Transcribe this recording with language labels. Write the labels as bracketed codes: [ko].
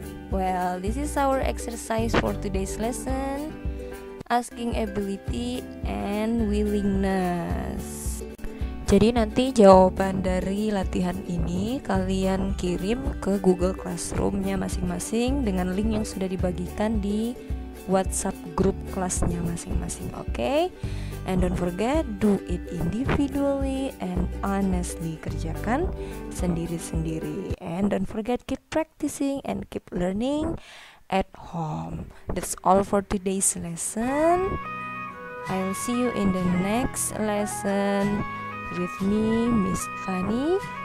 [en] Well, this is our exercise for today's lesson, asking ability and willingness. [id] Jadi nanti jawaban dari latihan ini kalian kirim ke Google Classroom-nya masing-masing dengan link yang sudah dibagikan di WhatsApp grup kelasnya masing-masing, okay? [en] And don't forget, do it individually and honestly. [id] Kerjakan sendiri-sendiri. [en] And don't forget, keep practicing and keep learning at home. That's all for today's lesson. I'll see you in the next lesson with me, Miss Fanny.